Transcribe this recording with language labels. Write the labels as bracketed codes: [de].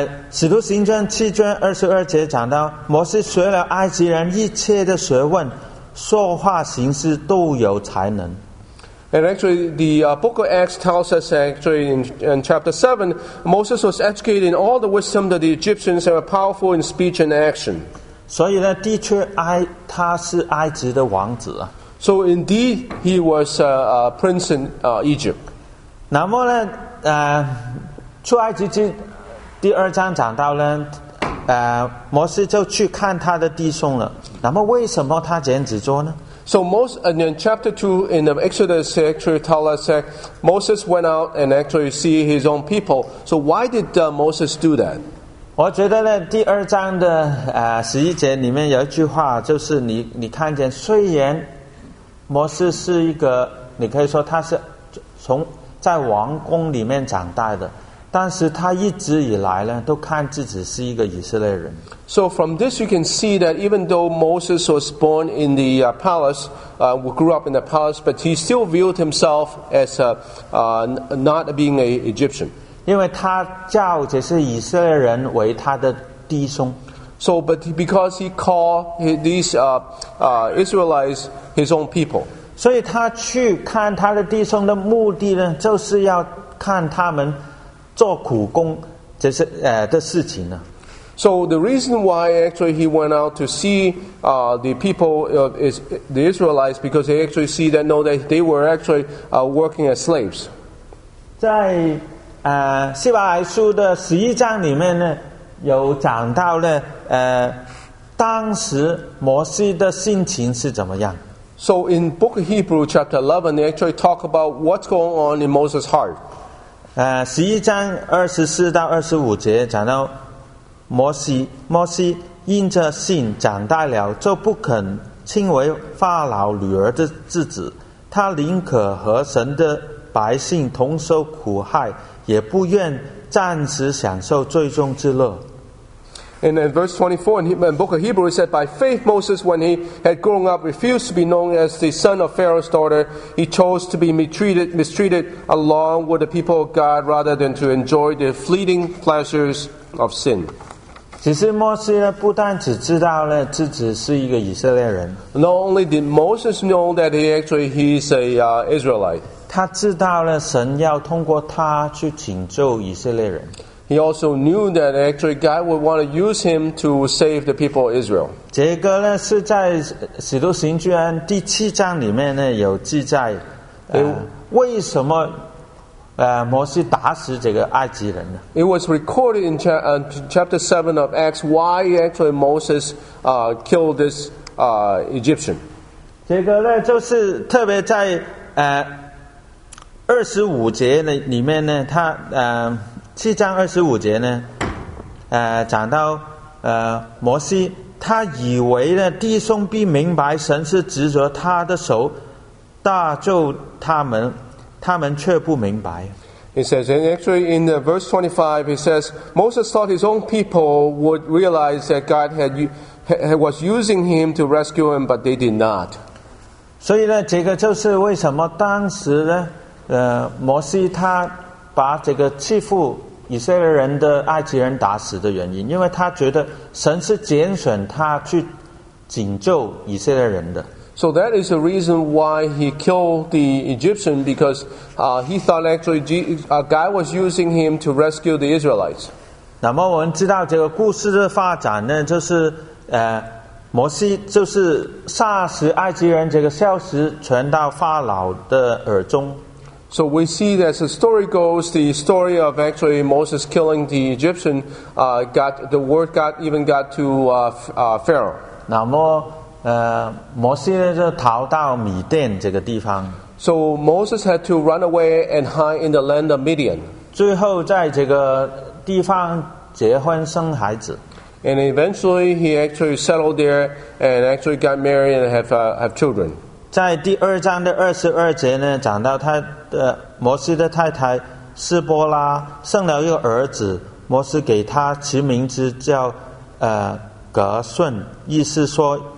[zh] 使徒行传七章22节讲到，摩西学了埃及人一切的学问，说话行事都有才能。 [en] And actually, the book of Acts tells us actually in chapter 7, Moses was educated in all the wisdom that the Egyptians were powerful in speech and action. [zh] 所以呢，的确，他是埃及的王子。 [en] So indeed, he was a prince in Egypt. [zh] 那么呢，出埃及记第二章讲到呢，摩西就去看他的弟兄了。那么为什么他剪指桌呢？ [en] So most and in chapter 2 in the Exodus actually tell us that Moses went out and actually see his own people. So why did Moses do that? [zh] 我觉得呢，第二章的十一节里面有一句话，就是你看见，虽然摩西是一个，你可以说他是从在王宫里面长大的，但是他一直以来呢，都看自己是一个以色列人。 [en] So from this you can see that even though Moses was born in the palace, grew up in the palace, but he still viewed himself as not being an Egyptian. [zh] 因为他叫这些以色列人为他的弟兄。 [en] So but because he called these Israelites his own people. [zh] 所以他去看他的弟兄的目的呢，就是要看他们做苦工这些的事情呢。 [en] So the reason why actually he went out to see the people of the Israelites because they actually see that know that they were actually working as slaves. [zh] 在希伯来书的十一章里面呢，有讲到呢，当时摩西的心情是怎么样。 [en] So in Book of Hebrews chapter 11, they actually talk about what's going on in Moses' heart. [zh] 十一章24-25节讲到。摩西因着信长大了，就不肯轻为法老女儿的制止，他宁可和神的百姓同受苦害，也不愿暂时享受最终之乐。 [en] And in verse 24 in the book of Hebrews said, By faith Moses, when he had grown up, refused to be known as the son of Pharaoh's daughter. He chose to be mistreated along with the people of God rather than to enjoy the fleeting pleasures of sin. [zh] 其实摩西呢，不但只知道呢自己是一个以色列人。 [en] Not only did Moses know that he actually he's a Israelite. [zh] 他知道了神要通过他去拯救以色列人。 [en] He also knew that actually God would want to use him to save the people of Israel. [zh] 这个呢是在《使徒行传》第七章里面呢有记载，为什么摩西打死这个埃及人呢 [en] ？It was recorded in chapter 7 of Acts why actually Moses killed this Egyptian. [zh] 这个呢就是特别在二十五节里面呢，他七章二十五节呢，讲到摩西，他以为呢弟兄必明白神是指着他的手搭救他们，他们却不明白。 [en] He says, and actually in the verse 25, he says, Moses thought his own people would realize that God was using him to rescue him, but they did not. [zh] 所以呢，这个就是为什么当时呢，摩西他把这个欺负以色列人的埃及人打死的原因，因为他觉得神是拣选他去拯救以色列人的。 [en] So that is the reason why he killed the Egyptian, because he thought actually God was using him to rescue the Israelites. [zh] 那么我们知道这个故事的发展呢，就是摩西就是杀死埃及人这个消息传到法老的耳中。 [en] So we see that as the story goes, the story of actually Moses killing the Egyptian, got the word to Pharaoh. [zh] 那么摩西呢就逃到米甸这个地方。 [en] So Moses had to run away and hide in the land of Midian. [zh] 最后在这个地方结婚生孩子。 [en] And eventually he actually settled there and actually got married and have children. [zh] 在第二章的二十二节呢，讲到他的摩西的太太示波拉生了一个儿子，摩西给他起名字叫格顺，意思说。